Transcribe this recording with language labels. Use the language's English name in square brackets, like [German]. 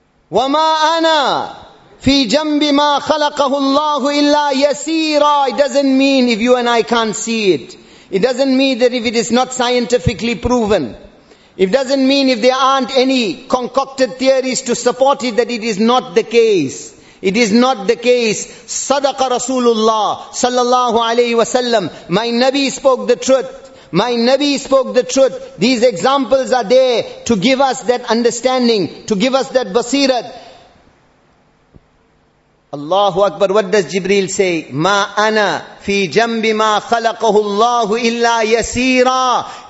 [Arabic] وَمَا أَنَا فِي جَنْبِ مَا خَلَقَهُ اللَّهُ إِلَّا يَسِيرًا. [English] It doesn't mean if you and I can't see it. It doesn't mean that if it is not scientifically proven. It doesn't mean if there aren't any concocted theories to support it that it is not the case. It is not the case. [Arabic] صدق رسول الله صلى الله عليه وسلم. [English] My Nabi spoke the truth. My Nabi spoke the truth. These examples are there to give us that understanding, to give us that basirat. Allahu Akbar. What does Jibreel say? [Arabic] Ma ana fi jambi ma khalaqahu Allahu illa yaseera.